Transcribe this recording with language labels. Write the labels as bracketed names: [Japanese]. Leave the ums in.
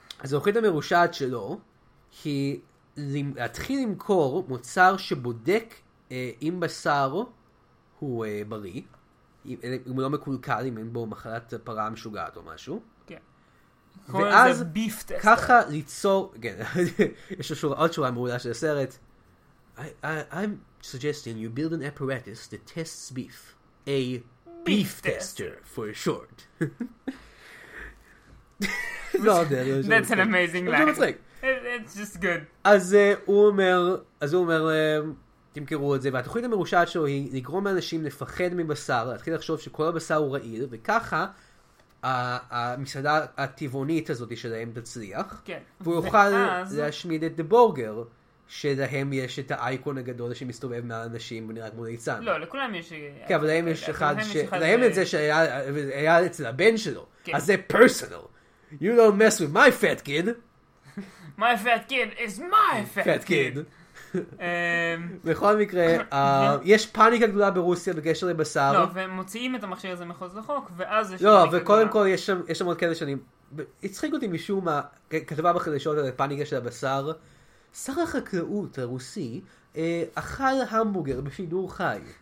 [Hebrew] אז האוכלית המרושעת שלו, היא להתחיל למכור מוצר שבודק אה, עם בשר, הוא בריא, אם הוא לא מקולקל, אם אין בו מחלת פרה משוגעת או משהו. כן. ואז ככה ליצור, כן, יש לו עוד שורה מעולה של הסרט. [English] I'm suggesting you build an apparatus that tests beef. A beef tester, for short. [Hebrew] לא יודע, לא יודע. [English] That's an amazing line. It's just good. [Hebrew] אז הוא אומר, אז הוא אומר, תמכרו את זה, והתוכנית המרושעת שלו היא לגרום לאנשים לפחד מבשר, להתחיל לחשוב שכל הבשר הוא רעיל, וככה המסעדה הטבעונית הזאת שלהם תצליח, כן. והוא יוכל ואז... להשמיד את דה שלהם יש את האייקון הגדול שמסתובב מעל אנשים ונראה כמו ליצן. לא, לכולם יש... כן, אבל להם יש אחד, ש... יש להם את זה שהיה אצל הבן שלו, כן. אז זה פרסונל. [English] You don't mess with my fat kid. my fat kid is my fat, fat kid. kid. [Hebrew] בכל מקרה, uh, יש פאניקה גדולה ברוסיה בקשר לבשר. לא, ומוציאים את המכשיר הזה מחוץ לחוק, ואז יש פאניקה גדולה. לא, וקודם כל יש שם, יש שם עוד כאלה שאני... הצחיק ב... אותי משום מה, כתבה בחדשות על הפאניקה של הבשר. שר החקלאות הרוסי אכל אה, המבורגר בשידור חי.